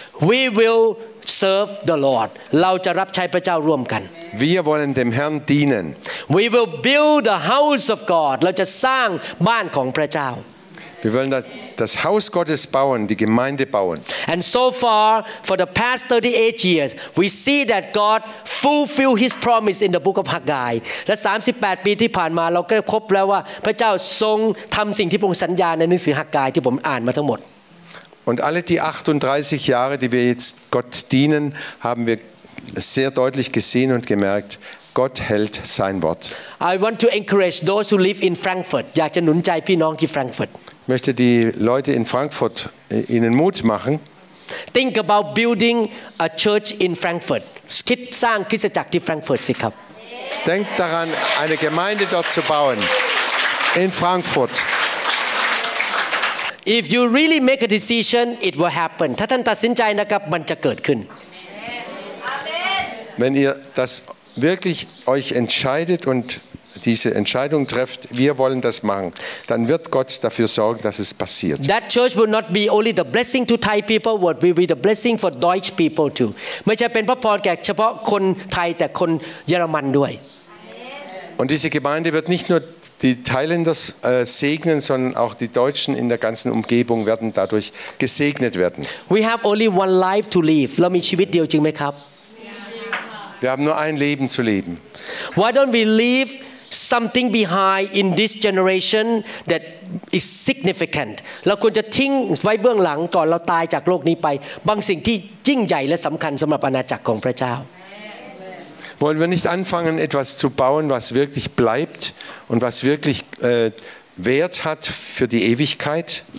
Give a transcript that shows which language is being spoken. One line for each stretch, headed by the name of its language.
English: we will serve the Lord
Thai: เราจะรับใช้พระเจ้าร่วมกัน
German: Wir wollen dem Herrn dienen
English: We will build the house of God
Thai: เราจะสร้างบ้านของพระเจ้า
German: Wir wollen das Haus Gottes bauen die Gemeinde bauen
English: And so far for the past 38 years we see that God fulfilled his promise in the book of Haggai
Thai: และ38ปีที่ผ่านมาเราก็พบแล้วว่าพระเจ้าทรงทำสิ่งที่พระองค์สัญญาในหนังสือฮักกายที่ผมอ่านมาทั้งหมด
German: Und alle die 38 Jahre die wir jetzt Gott dienen haben wir sehr deutlich gesehen und gemerktGott hält sein Wort.
English: I want to encourage those who live in Frankfurt.
Thai: อยากจะหนุนใจพี่น้องที่ Frankfurt.
German: Möchte die Leute in Frankfurt ihnen Mut machen.
English: Think about building a church in Frankfurt.
Thai: คิดสร้างคริสตจักรที่ Frankfurt สิครับ
German: Denk daran, eine Gemeinde dort zu bauen in Frankfurt.
English: If you really make a decision, it will happen.
Thai: ถ้าท่านตัดสินใจนะครับมันจะเกิดขึ้น
German: Wenn ihr dasWirklich euch entscheidet und diese Entscheidung trefft, wir wollen das machen, dann wird Gott dafür sorgen, dass es passiert.
English: That church will not be only the blessing to Thai people, but will be the blessing for Deutsch people too.
Thai: ไม่ใช่เป็นพระพรแก่เฉพาะคนไทยแต่คนเยอรมันด้วย
German: Und diese Gemeinde wird nicht nur die Thailänder segnen, sondern auch die Deutschen in der ganzen Umgebung werden dadurch gesegnet werden.
English: We have only one life to live.
Thai: เรามีชีวิตเดียวจริงไหมครับ
German: Wir haben nur ein Leben zu leben.
English: Why don't we leave something behind in this generation that is significant?
Thai: เราควรจะทิ้งไว้เบื้องหลังก่อนเราตายจากโลกนี้ไปบางสิ่งที่ยิ่งใหญ่และสำคัญสำหรับอาณาจักรของพระเจ้า
German: Wollen wir nicht anfangen, etwas zu bauen, was wirklich bleibt und was wirklich Wert hat für die Ewigkeit?